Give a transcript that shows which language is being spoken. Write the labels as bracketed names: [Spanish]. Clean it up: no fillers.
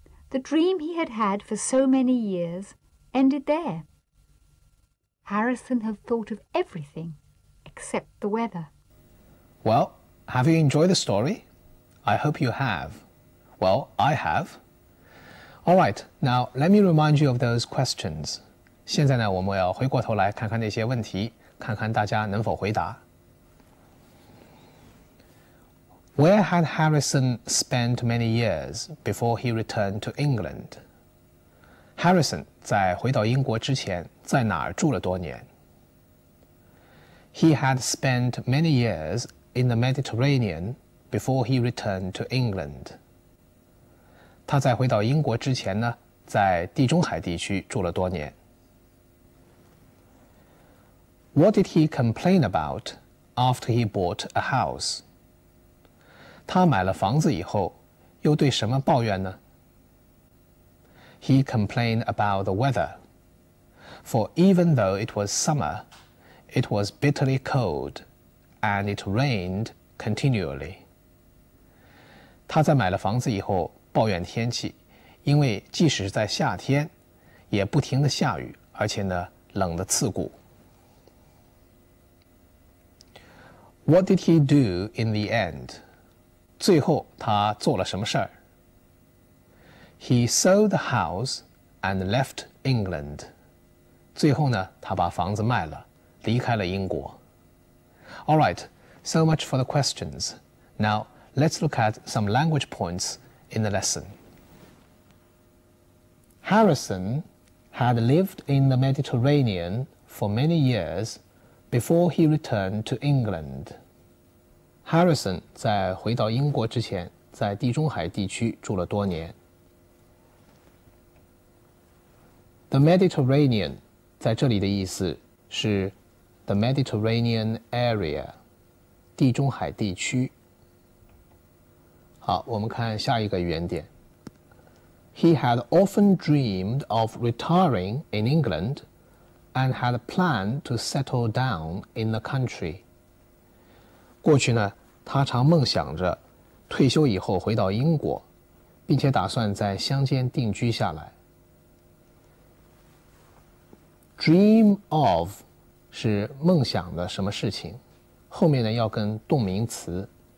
[English] The dream he had had for so many years ended there. Harrison had thought of everything. Except the weather. Well, have you enjoyed the story? I hope you have. Well, I have. All right, now let me remind you of those questions. [Chinese] 现在呢，我们要回过头来看看那些问题，看看大家能否回答。 [English] Where had Harrison spent many years before he returned to England? [Chinese] Harrison 在回到英国之前，在哪儿住了多年？ [English] He had spent many years in the Mediterranean before he returned to England. [Chinese] 他在回到英国之前呢，在地中海地区住了多年。 [English] What did he complain about after he bought a house? [Chinese] 他买了房子以后，又对什么抱怨呢 [English] ？He complained about the weather. For even though it was summer,It was bitterly cold, and it rained continually. [Chinese] 他在买了房子以后抱怨天气，因为即使在夏天，也不停地下雨，而且呢冷得刺骨。 [English] What did he do in the end? [Chinese] 最后他做了什么事儿 [English] ？He sold the house and left England. [Chinese] 最后呢，他把房子卖了。离开了英国。All [English] right, so much for the questions. Now, let's look at some language points in the lesson. Harrison had lived in the Mediterranean for many years before he returned to England. [Chinese] Harrison 在回到英国之前在地中海地区住了多年。 [English] The Mediterranean 在这里的意思是 The Mediterranean area, [Chinese] 地中海地区。好，我们看下一个原点。 [English] He had often dreamed of retiring in England and had planned to settle down in the country. [Chinese] 过去呢，他常梦想着退休以后回到英国，并且打算在乡间定居下来。 [English] Dream of [Chinese] 是梦想的什么事情，后面呢要跟动名词